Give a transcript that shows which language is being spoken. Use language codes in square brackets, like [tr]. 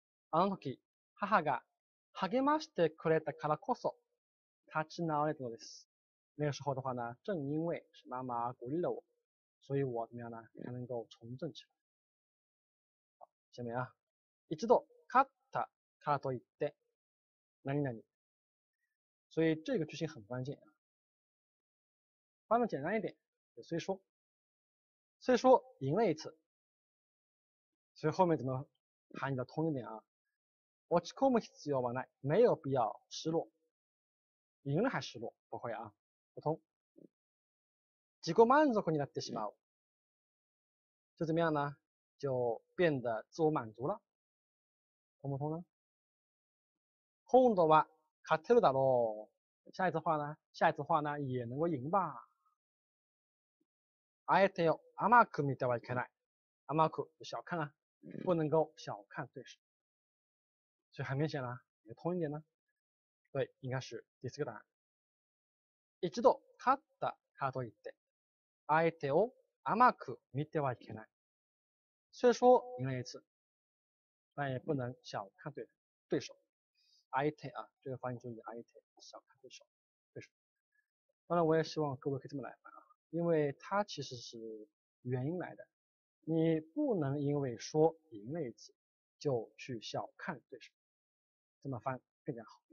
[ja] あの時、母が励ましてくれたからこそ、立ち直れたのです。 [zh] 那个时候的话呢，正因为是妈妈鼓励了我，所以我怎么样呢，才能够重振起来。好，下面啊， [ja] 一度勝ったからといって。 [zh] 何々，所以这个句型很关键啊。翻的简单一点，就虽说赢了一次，所以后面怎么喊比较通一点啊？ [ja] 落ち込む必要はない， [zh] 没有必要失落，赢了还失落，不会啊，不通。 [ja] 自己满足になってしまう， [zh] 就怎么样呢？就变得自我满足了，通不通呢？ [ja] 今度は勝てるだろう。 [zh] 下一次话呢也能够赢吧。 [ja] 相手を甘く見てはいけない。 [zh] 甘く小看啊，不能够小看对手。所以很明显啦，也通一点呢。对，应该是第四个答案。 [ja] 一度勝ったからといって、相手を甘く見てはいけない。 [zh] 虽说赢了一次，但也不能小看对手。 IT 啊，这个发音注意 IT， 小看对手。当然，我也希望各位可以这么来啊，因为它其实是原因来的。你不能因为说赢了一次，就去小看对手，这么翻更加好。